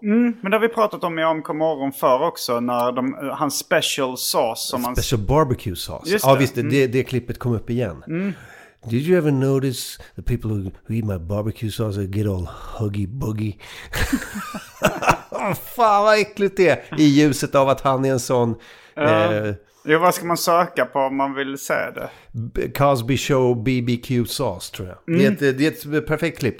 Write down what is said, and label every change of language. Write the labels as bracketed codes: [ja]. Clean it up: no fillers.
[sv] Mm, men det har vi pratat om i Omkommorgon för också när hans special sauce. Som [en] special [sv] han... [en] barbecue sauce. [sv] Ja, ah, visst, det klippet kom upp igen. Mm. [en] Did you ever notice the people who eat my barbecue sauce get all huggy-buggy? [sv] Fan, vad äckligt det är, i ljuset av att han är en sån... Jo, vad ska man söka på om man vill se det? Cosby Show BBQ sauce, tror jag. Mm. Det är ett perfekt klipp.